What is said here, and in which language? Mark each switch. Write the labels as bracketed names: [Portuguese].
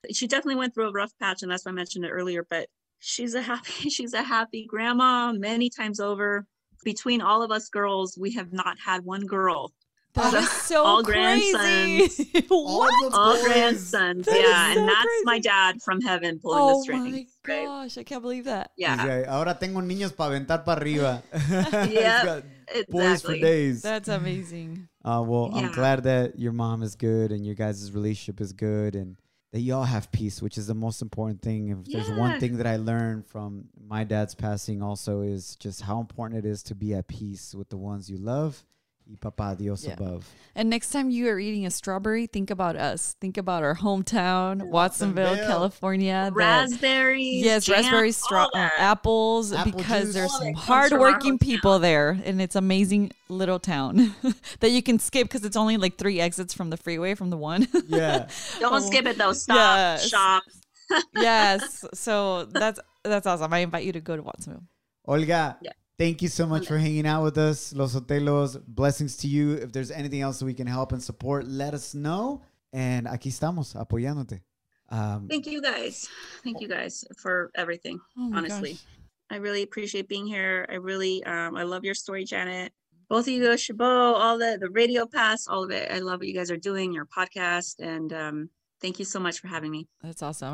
[English] She definitely went through a rough patch, and that's why I mentioned it earlier, but she's a happy grandma many times over. Between all of us girls, we have not had one girl. That is so all crazy. Grandsons. What? All grandsons. That yeah. So and that's crazy. My dad from heaven pulling the string. Oh my gosh, I can't believe that. Yeah. [Spanish] Ahora tengo niños para aventar para arriba. [English] Yeah. Boys exactly. For days. That's amazing. I'm glad that your mom is good and your guys' relationship is good. And that y'all have peace, which is the most important thing. If there's one thing that I learned from my dad's passing also is just how important it is to be at peace with the ones you love. [Spanish] Y papá Dios [English] above. And next time you are eating a strawberry, think about us. Think about our hometown, Watsonville, California. Raspberries. Yes, raspberries, apples, because there's some hardworking people there. And it's amazing little town that you can skip because it's only like three exits from the freeway from the one. Yeah. Don't skip it though. Stop. Shop. Yes. So that's awesome. I invite you to go to Watsonville. Olga. Yeah. Thank you so much for hanging out with us. Los Otelos, blessings to you. If there's anything else that we can help and support, let us know. [Spanish] And aquí estamos, apoyándote. [English] Thank you guys. Thank you guys for everything, honestly. Gosh. I really appreciate being here. I really, I love your story, Janet. Both of you, Chabot, all the radio pass, all of it. I love what you guys are doing, your podcast. And thank you so much for having me. That's awesome.